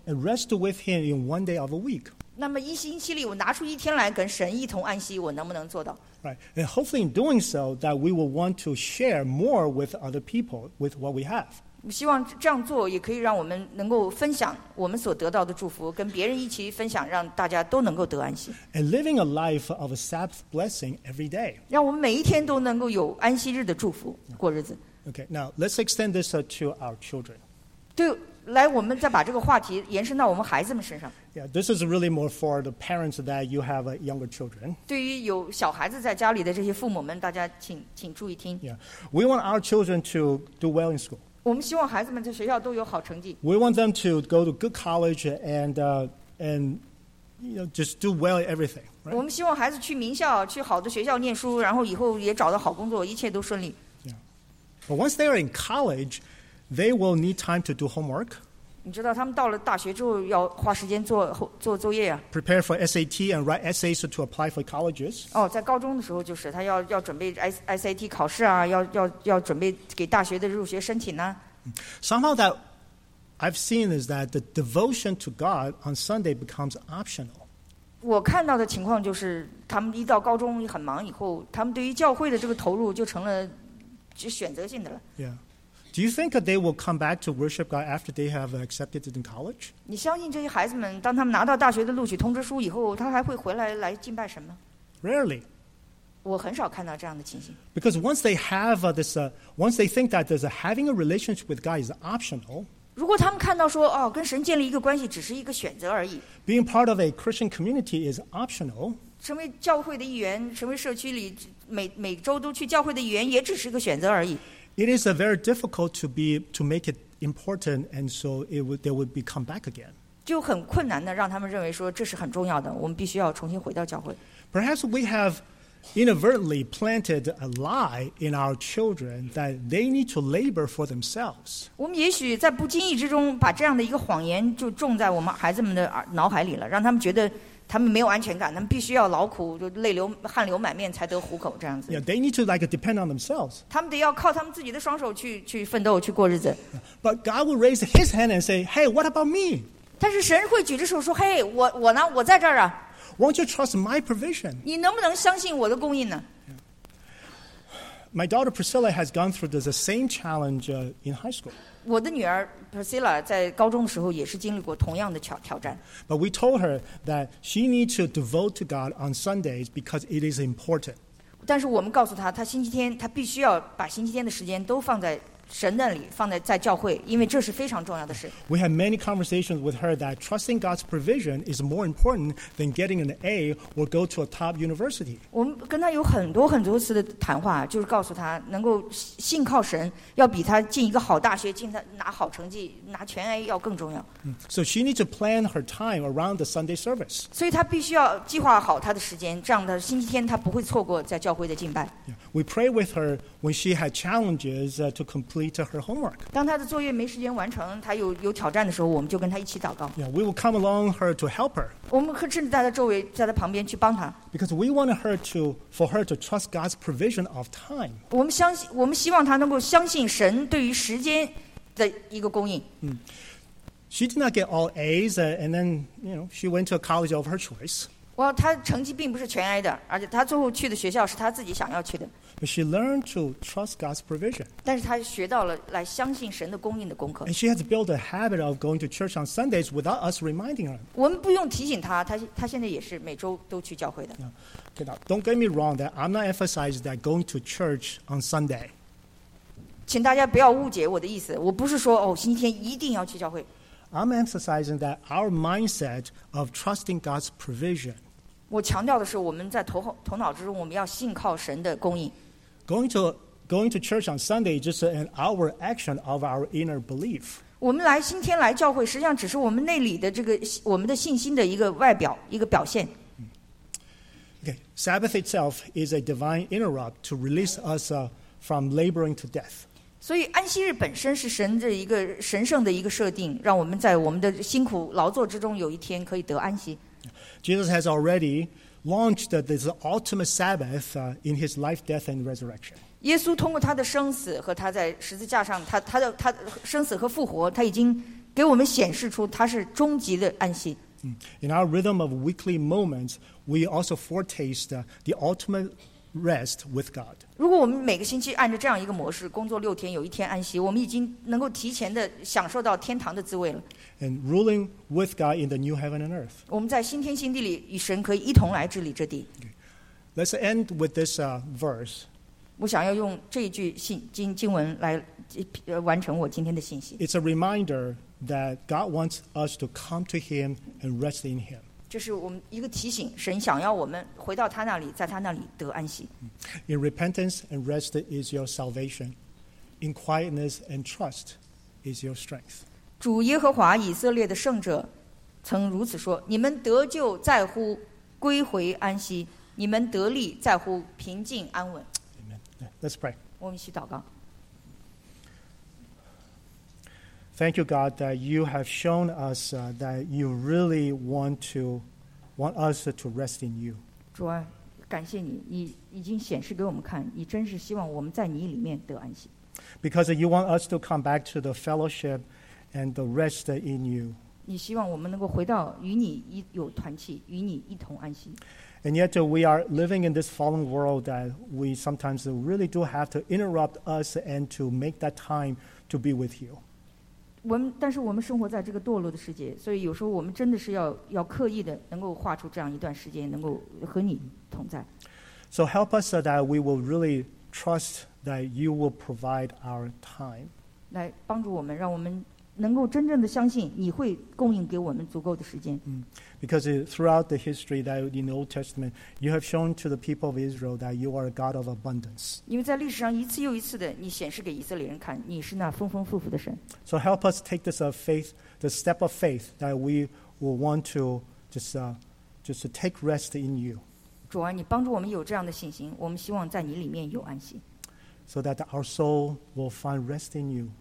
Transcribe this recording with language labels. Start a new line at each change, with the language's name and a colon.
English: And rest with him in one day of a week.
Chinese: 那么一星期里我拿出一天来跟神一同安息，我能不能做到？
English: Right, and hopefully in doing so that we will want to share more with other people with what we have.
Chinese: 我希望这样做也可以让我们能够分享我们所得到的祝福，跟别人一起分享，让大家都能够得安息。
English: And living a life of a Sabbath blessing every day.
Chinese: 让我们每一天都能够有安息日的祝福过日子。
English: Okay, now let's extend this to our children.
Chinese: 对，来，我们再把这个话题延伸到我们孩子们身上。
English: Yeah, this is really more for the parents that you have younger children.
Chinese: 对于有小孩子在家里的这些父母们，大家请注意听。
English: Yeah, we want our children to do well in school.
Chinese: 我们希望孩子们在学校都有好成绩。
English: We want them to go to good college and you know, just do well at everything.、Right?
Chinese: 我们希望孩子去名校，去好的学校念书，然后以后也找到好工作，一切都顺利。
English: Yeah. But once they are in college, they will need time to do homework.
Chinese: 你知道他们到了大学之后要花时间做作业啊。
English: Prepare for SAT and write essays to apply for colleges.
Chinese: 哦，在高中的时候就是他要准备 SAT 考试啊，要准备给大学的入学申请呢、啊。
English: Somehow that I've seen is that the devotion to God on Sunday becomes optional.
Chinese: 我看到的情况就是他们一到高中很忙以后，他们对于教会的这个投入就成了就选择性的了。
English: Yeah. Do you think they will come back to worship God after they have accepted it in college?
Chinese: 你相信这些孩子们，当他们拿到大学的录取通知书以后，他还会回来敬拜神吗？
English: Rarely.
Chinese: 我很少看到这样的情形。
English: Because once they have this, once they think that there's having a relationship with God is optional.
Chinese: 如果他们看到说，哦，跟神建立一个关系只是一个选择而已。
English: Being part of a Christian community is optional.
Chinese: 成为教会的一员，成为社区里每周都去教会的一员，也只是一个选择而已。
English: It is a very difficult to make it important, and so they would be come back again.
Chinese: 就很困难的让他们认为说这是很重要的，我们必须要重新回到教会。
English: Perhaps we have inadvertently planted a lie in our children that they need to labor for themselves.
Chinese: 我们也许在不经意之中把这样的一个谎言就种在我们孩子们的脑海里了，让他们觉得。他们没有安全感，他们必须要劳苦，就泪流汗流满面才得糊口这样子。
English: Yeah, they need to like depend on themselves.
Chinese: 他们得要靠他们自己的双手去奋斗去过日子。
English: But God will raise His hand and say, "Hey, what about me?"
Chinese: 但是神会举着手说，嘿、
English: hey,
Chinese: ，我呢？我在这儿啊。
English: Won't you trust my provision?
Chinese: 你能不能相信我的供应呢？
English: My daughter Priscilla has gone through the same challenge in high school.
Chinese: 我的女儿。Priscilla 在高中的时候也是经历过同样的挑战。
English: But we told her that she needs to devote to God on Sundays because it is important.
Chinese: 但是我们告诉她，她星期天她必须要把星期天的时间都放在神那里，放在教会，因为这是非常重要的事。
English: We had many conversations with her that trusting God's provision is more important than getting an A or go to a top university.
Chinese: 我们跟她有很多次的谈话，就是告诉她，能够信靠神，要比她进一个好大学、进她拿好成绩、拿全 A 要更重要。
English: So she needs to plan her time around the Sunday service.
Chinese: 所以她必须要计划好她的时间，这样的星期天她不会错过在教会的敬拜。
English: We pray with her when she had challenges to complete her homework.
Chinese: 当她的作业没时间完成，她有挑战的时候，我们就跟她一起祷告。
English: Yeah, we will come along her to help her.
Chinese: 我们甚至在她周围，在她旁边去帮她。
English: Because we want her to trust God's provision of time.
Chinese: 我们希望她能够相信神对于时间的一个供应。
English: She did not get all A's, and then you know she went to a college of her choice. Well,
Chinese: 他成绩并不是全 A 的，而且他最后去的学校是他自己想要去的。
English: But she learned to trust God's provision.
Chinese: 但是他学到了来相信神的供应的功课。
English: And she has built a habit of going to church on Sundays without us reminding her.
Chinese: 我们不用提醒他，他现在也是每周都去教会的。
English: Okay, now, don't get me wrong, that I'm not emphasizing that going to church on Sunday.
Chinese: 请大家不要误解我的意思，我不是说哦，星期天一定要去教会。
English: I'm emphasizing that our mindset of trusting God's provision.
Chinese: 我强调的是，我们在头脑之中，我们要信靠神的供应。
English: Going to church on Sunday is just an outward action of our inner belief.
Chinese: 我们来星期天来教会，实际上只是我们内里的这个我们的信心的一个外表一个表现。
English: Okay, Sabbath itself is a divine interrupt to release us from laboring to death.
Chinese: 所以安息日本身是神的一个神圣的一个设定，让我们在我们的辛苦劳作之中有一天可以得安息。
English: Jesus has already launched this ultimate Sabbath in his life, death and resurrection.
Chinese: 耶稣通过他的生死和他在十字架上 他生死和复活，他已经给我们显示出他是终极的安息。
English: In our rhythm of weekly moments, we also foretaste the ultimate rest with God.
Chinese: 如果我们每个星期按照这样一个模式，工作六天，有一天安息，我们已经能够提前的享受到天堂的滋味了。
English: And ruling with God in the new heaven and earth.
Chinese: 我们在新天新地里与神可以一同来治理这地。
English: Let's end with this verse.
Chinese: 我想要用这一句经文来完成我今天的信息。
English: It's a reminder that God wants us to come to Him and rest in Him.
Chinese: 这是我们一个提醒，神想要我们回到他那里，在他那里得安息。
English: In repentance and rest is your salvation. In quietness and trust is your strength.
Chinese: 主耶和华以色列的圣者曾如此说：你们得救在乎归回安息，你们得力在乎平静安稳。
English: Amen. Let's pray.
Chinese: 我们一起祷告。
English: Thank you, God, that you have shown us that you really want us to rest in you.
Chinese: 主啊，感谢你，你已经显示给我们看，你真是希望我们在你里面得安息。
English: Because you want us to come back to the fellowship and the rest in you.
Chinese: 你希望我们能够回到与你一有团契，与你一同安息。
English: And yet we are living in this fallen world that we sometimes really do have to interrupt us and to make that time to be with you.
Chinese: 但是我们生活在这个堕落的世界，所以有时候我们真的是 要刻意的能够画出这样一段时间能够和你同在。
English: So help us so that we will really trust that you will provide our time.
Chinese: 来帮助我们，让我们能够真正的相信你会供应给我们足够的时间。
English: Because throughout the history that in the Old Testament, you have shown to the people of Israel that you are a God of abundance.
Chinese: 因为在历史上一次又一次的你显示给以色列人看你是那丰丰富富的神。
English: So help us take this of faith, the step of faith that we will want to just take rest in you.
Chinese: 主啊，你帮助我们有这样的信心，我们希望在你里面有安息。
English: So that our soul will find rest in you.